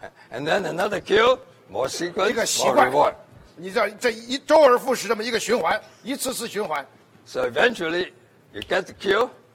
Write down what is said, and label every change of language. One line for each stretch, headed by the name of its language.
English: And then another kill, more sequence, more reward.
Chinese: 你知道这一周而复始这么一个循环，一次次循环。
English: So eventually, you get the kill.